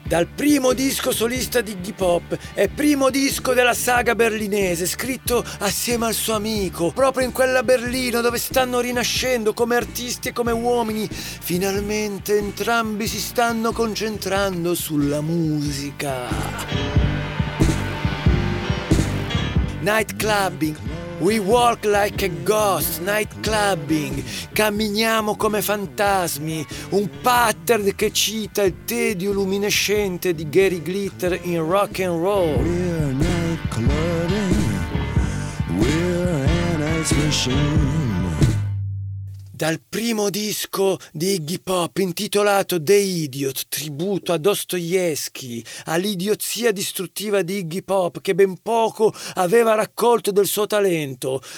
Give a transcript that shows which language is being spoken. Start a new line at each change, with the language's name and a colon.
Italian: Dal primo disco solista di Iggy Pop e primo disco della saga berlinese, scritto assieme al suo amico, proprio in quella Berlino dove stanno rinascendo come artisti e come uomini, finalmente entrambi si stanno concentrando sulla musica.
English: Nightclubbing. We walk like a ghost, night clubbing.
Italian: Camminiamo come fantasmi. Un pattern che cita il tedio luminescente di Gary Glitter in Rock and Roll.
English: We're night clubbing. We're an ice machine.
Italian: Dal primo disco di Iggy Pop intitolato The Idiot, tributo a Dostoevsky, all'idiozia distruttiva di Iggy Pop che ben poco aveva raccolto del suo talento.